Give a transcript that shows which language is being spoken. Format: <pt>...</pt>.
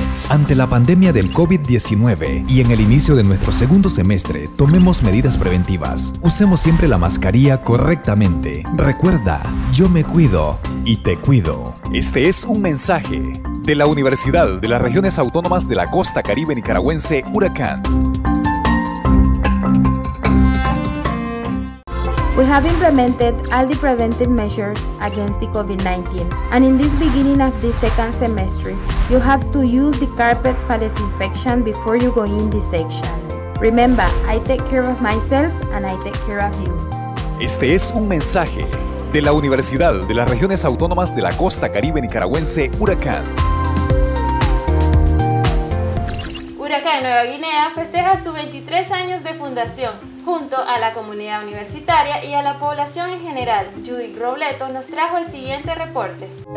<es>Ante la pandemia del COVID-19 y en el inicio de nuestro segundo semestre, tomemos medidas preventivas. Usemos siempre la mascarilla correctamente. Recuerda, yo me cuido y te cuido. Este es un mensaje de la Universidad de las Regiones Autónomas de la Costa Caribe Nicaragüense, Huracán.</es> <en>We have implemented all the preventive measures against the COVID-19. And in this beginning of the second semester, you have to use the carpet for disinfection before you go in the section. Remember, I take care of myself and I take care of you.</en> <es>Este es un mensaje de la Universidad de las Regiones Autónomas de la Costa Caribe Nicaragüense, Huracán. Huracán Nueva Guinea festeja sus 23 años de fundación. Junto a la comunidad universitaria y a la población en general, Judith Robleto nos trajo el siguiente reporte.</es>